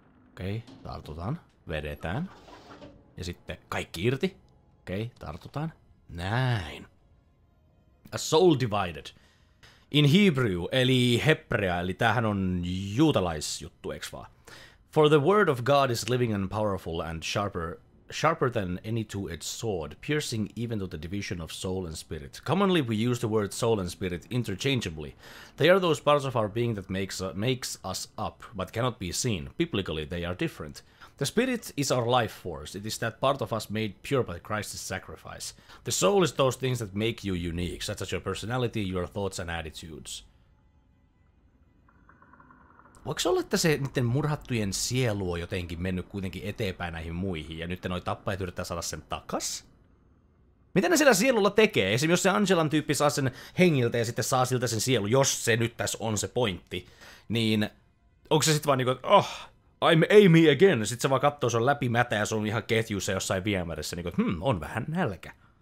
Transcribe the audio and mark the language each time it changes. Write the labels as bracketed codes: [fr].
[fi] Okei, okay. Tartutaan. Vedetään. Ja sitten kaikki irti. Okei, okay. Tartutaan. Näin. [en] A soul divided. In Hebrew, [fi] eli hebrea, eli tämähän on juutalaisjuttu, eiks vaan? [en] For the word of God is living and powerful and sharper than any two-edged sword, piercing even to the division of soul and spirit. Commonly we use the word soul and spirit interchangeably. They are those parts of our being that makes us up, but cannot be seen. Biblically, they are different. The spirit is our life force. It is that part of us made pure by Christ's sacrifice. The soul is those things that make you unique, such as your personality, your thoughts and attitudes. [fi] Voiko se olla, että se niiden murhattujen sielu on jotenkin mennyt kuitenkin eteenpäin näihin muihin, ja nyt noi tappajat yrittää saada sen takas? Mitä ne siellä sielulla tekee? Esimerkiksi jos se Angelan tyyppi saa sen hengiltä ja sitten saa siltä sen sielu, jos se nyt tässä on se pointti, niin onko se sitten vaan niinku, [en] oh, I'm Amy again, [fi] ja sitten se vaan katsoo, se on läpimätä ja se on ihan ketjussa jossain viemärissä, niinku, on vähän nälkä.